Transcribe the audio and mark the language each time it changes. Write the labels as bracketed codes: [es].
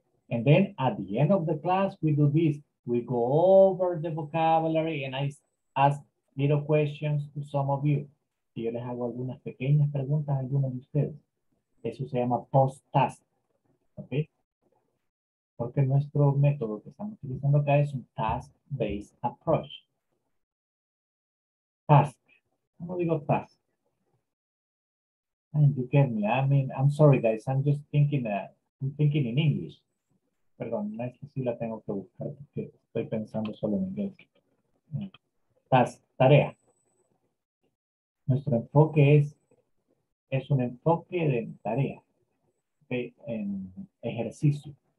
[en] And then at the end of the class, we do this. We go over the vocabulary and I ask little questions to some of you. [es] Y yo les hago algunas pequeñas preguntas a algunos de ustedes. Eso se llama post-task. Okay? Porque nuestro método que estamos utilizando acá es un task-based approach. Task. ¿Cómo digo task? [en] And you get me. I mean, I'm sorry, guys. I'm just thinking that, I'm thinking in English. [es] Perdón, no es que sí la tengo que buscar porque estoy pensando solo en inglés. Task, tarea. Nuestro enfoque es un enfoque de tarea, okay, en ejercicio.